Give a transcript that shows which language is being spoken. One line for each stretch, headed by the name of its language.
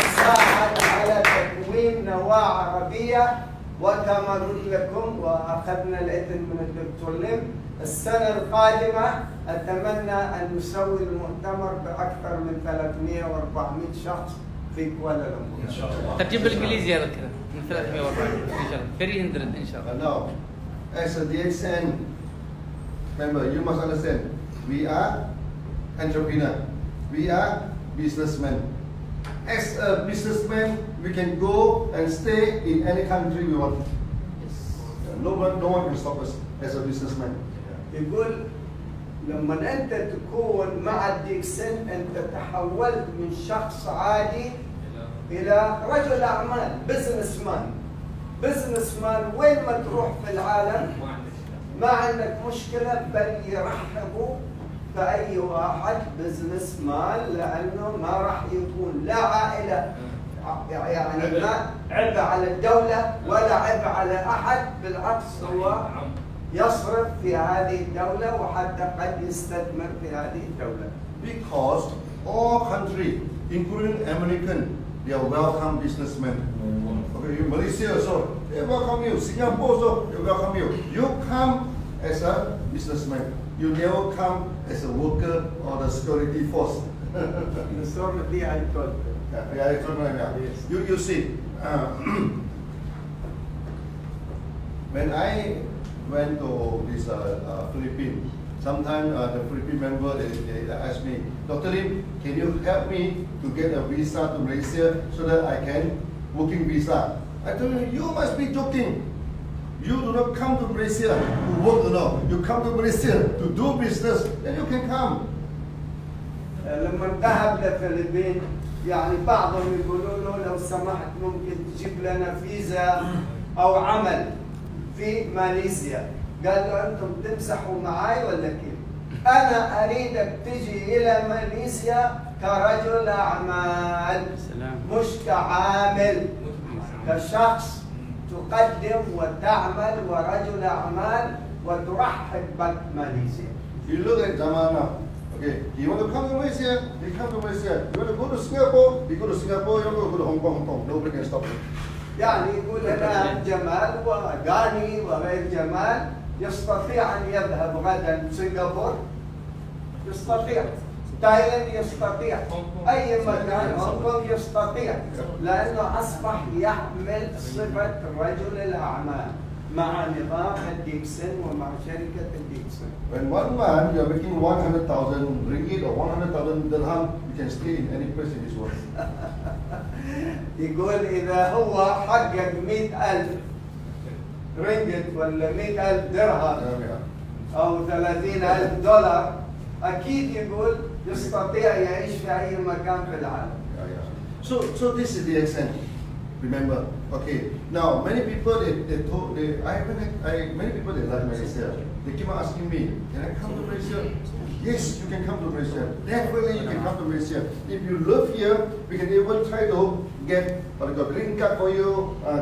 Arabic: على تكوين نواة عربية وتمرن لكم وأخذنا الإذن من الدكتور ليم. السنة القادمة أتمنى أن نسوي المؤتمر بأكثر من 300-400 شخص في كوالالمبور. إن شاء الله. ترجم بالإنجليزي هذا الكلام من 300-400 إن شاء الله. 300 إن شاء الله.
English: As a DAXEN member, you must understand, we are entrepreneur, we are businessmen. As a businessman, we can go and stay in any country we want. Yes. No one can stop us as a businessman.
Arabic: يقول لما أنت تكون مع DAXEN أنت تحولت من شخص عادي إلى رجل أعمال, businessman. Businessman, وين ما تروح في العالم ما عندك مشكلة بل يرحبوا بأي واحد businessman لأنه ما راح يكون لا عائلة يعني ما عبء على الدولة ولا عبء على أحد بالعكس هو يصرف في هذه الدولة وحتى قد يستثمر في هذه الدولة.
English: Because all country, including American, they are welcome businessmen. Okay, in Malaysia also. They welcome you. Singapore also, they welcome you. You come as a businessman. You never come as a worker or the security force. The security, I told them. Yeah, I told them, yeah. Yes. You see, when I went to this Philippines, sometimes the Philippine member, they asked me, Dr. Lim, can you help me to get a visa to Malaysia so that I can working visa? I told him, you must be joking. You do not come to Malaysia to work or not. You come to Malaysia to do business, then you can come.
Arabic: لما ذهب للفلبين يعني بعضهم يقولوا له لو سمحت ممكن تجيب لنا فيزا أو عمل في ماليزيا. قال له أنتم تمسحوا معي ولا كيف؟ أنا أريدك تجي إلى ماليزيا كرجل أعمال مش كعامل. كشخص تقدم وتعمل ورجل أعمال وترحب بك ماليزيا.
English: You look at Jamal now. Okay, he want to come to Malaysia, he come to Malaysia. You want to go to Singapore, he go to Singapore. You want to go to Hong Kong, Hong Kong. Nobody can stop him.
Arabic: يعني يقول أنا جمال وغاني وغير جمال يستطيع أن يذهب غدا سنغافورة. يستطيع. تايلاند يستطيع. أي مكان هونغ كونغ يستطيع. لأنه أصبح يحمل صفة رجل الأعمال مع نظام DAXEN ومع شركة DAXEN.
English: When one man you are making 100,000 ringgit or 100,000 dirham, you can stay in any place in this world.
Arabic: يقول إذا هو حقق 100,000 ringgit ولا 100,000 درهم أو 30,000 دولار أكيد يقول يستطيع يعيش في أي مكان في العالم.
English: So this is the accent. Remember, okay. Now many people they like Malaysia. They keep asking me, can I come to Malaysia? Yes, you can come to Malaysia. Definitely you can come to Malaysia. If you live here, we can even try to get a green card for you.